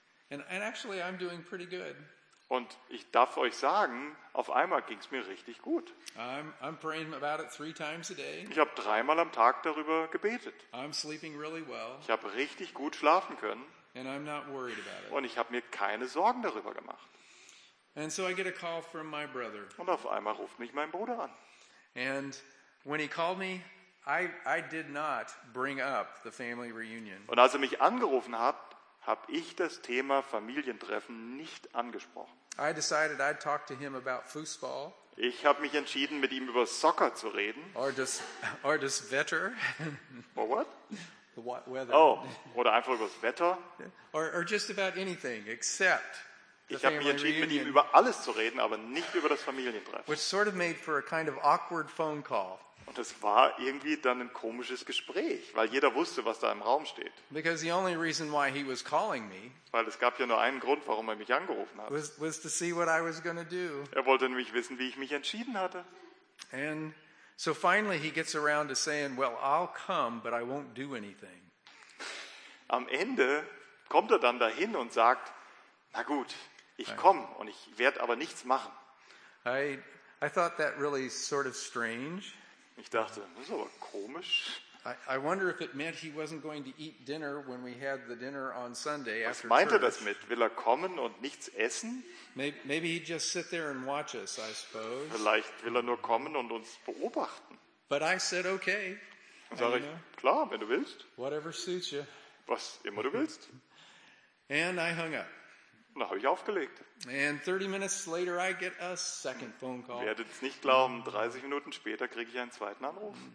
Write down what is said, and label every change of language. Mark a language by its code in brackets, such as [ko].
[en] And actually I'm doing pretty good. [de] Und ich darf euch sagen, auf einmal ging es mir richtig gut. [en] I'm praying about it 3 times a day. [de] Ich habe 3-mal am Tag darüber gebetet. [en] I'm sleeping really well. [de] Ich habe richtig gut schlafen können. [en] And I'm not worried about it. [de] Und ich habe mir keine Sorgen darüber gemacht. [en] And so I get a call from my brother. [de] Und auf einmal ruft mich mein Bruder an. [en] And when he called me, I did not bring up the family reunion. [de] Und als er mich angerufen hat, habe ich das Thema Familientreffen nicht angesprochen. [en] I decided I'd talk to him about Fußball. [de] Ich habe mich entschieden, mit ihm über Soccer zu reden. [en] Or [de] das Wetter. [en] Or what? The weather. [de] Oh, oder einfach über das Wetter. [en] Or just about anything except. [de] Ich habe mich entschieden, mit ihm über alles zu reden, aber nicht über das Familientreffen. [en] Which sort of made for a kind of awkward phone call. [de] Und es war irgendwie dann ein komisches Gespräch, weil jeder wusste, was da im Raum steht. [en] Because the only reason why he was calling me, [de] weil es gab ja nur einen Grund, warum er mich angerufen hat. [en] Was to see what I was gonna do. [de] Er wollte nämlich wissen, wie ich mich entschieden hatte. [en] And so finally he gets around to saying, well, I'll come, but I won't do anything. [de] Am Ende kommt er dann dahin und sagt, na gut, ich komme und ich werde aber nichts machen. [en] I thought that really sort of strange. [de] Ich dachte, das ist aber komisch. [en] I wonder if it meant he wasn't going to eat dinner when we had the dinner on Sunday after church. [de] Was meinte das mit? Will er kommen und nichts essen? [en] Maybe he'd just sit there and watch us, I suppose. [de] Vielleicht will er nur kommen und uns beobachten. [en] But I said okay. [de] Dann sage ich, klar, wenn du willst. [en] Whatever suits you. [de] Was immer du willst. [en] And I hung up. [de] Da habe ich aufgelegt. [en] And 30 minutes later I get a second phone call. [de] Werdet's nicht glauben, 30 Minuten später kriege ich einen zweiten Anruf.